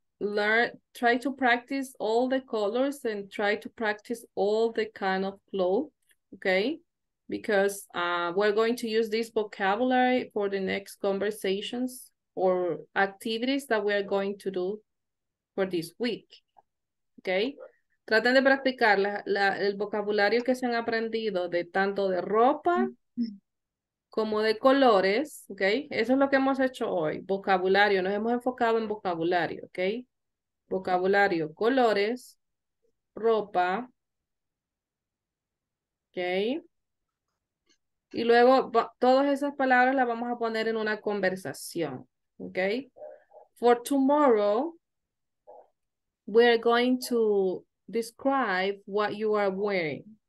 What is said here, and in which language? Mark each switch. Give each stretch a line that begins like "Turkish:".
English: learn, try to practice all the colors and try to practice all the kind of clothes, okay? Because we're going to use this vocabulary for the next conversations or activities that we are going to do for this week, okay?
Spanish: Traten de practicar el vocabulario que se han aprendido de tanto de ropa como de colores, ¿ok? Eso es lo que hemos hecho hoy, vocabulario. Nos hemos enfocado en vocabulario, ¿ok? Vocabulario, colores, ropa, ¿ok? Y luego todas esas palabras las vamos a poner en una conversación, ¿ok?
English: For tomorrow, we're going to describe what you are wearing.